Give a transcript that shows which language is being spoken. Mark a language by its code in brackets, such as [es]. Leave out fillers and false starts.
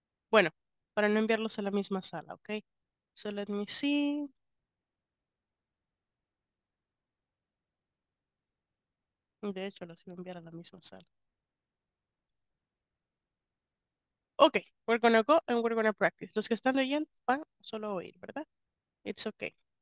[es] Bueno, para no enviarlos a la misma sala, ¿ok? [en] So let me see. [es] De hecho, los iba a enviar a la misma sala. [en] Ok, we're gonna go and we're gonna practice. [es] Los que están leyendo van solo a oír, ¿verdad? [en] It's okay.